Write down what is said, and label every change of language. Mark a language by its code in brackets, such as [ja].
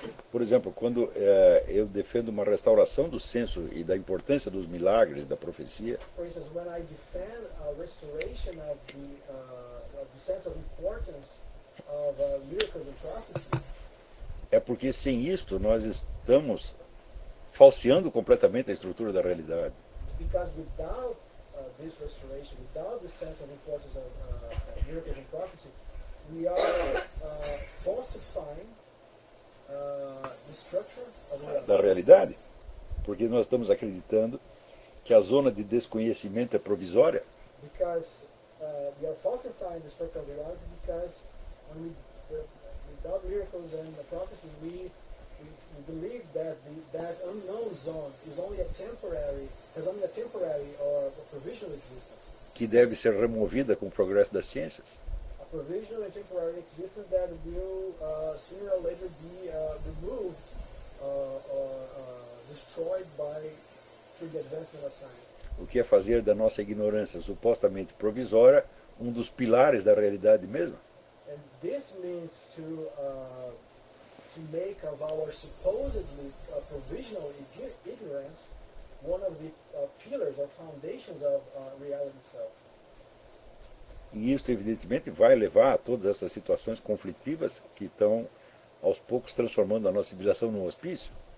[pt] Por exemplo, quando eu defendo uma restauração do censo e da importância dos milagres, da profecia, [en] for instance, when I defend a restoration of the sense of importance of miracles and prophecy, [pt] é porque sem isto nós estamos falseando completamente a estrutura da realidade. [en] Because without this restoration, without the sense of importance of miracles and prophecy, we are falsifying the structure of [pt] da realidade, porque nós estamos acreditando que a zona de desconhecimento é provisória. [en] Because we are falsifying the structure of the reality because when we without miracles and the prophecies we we believe that that unknown zone is only a temporary, has only a temporary or a provisional existence. [pt] Que deve ser removida com o progresso das ciências. [en] A provisional and temporary existence that will sooner or later be removed or destroyed by through the advancement of science. [pt] O que é fazer da nossa ignorância supostamente provisória um dos pilares da realidade mesmo? [en] And this means to to make of our supposedly provisional ignorance one of the pillars or foundations of reality itself. [pt] E isso evidentemente vai levar a todas essas situações conflitivas que estão aos poucos transformando a nossa civilização num hospício.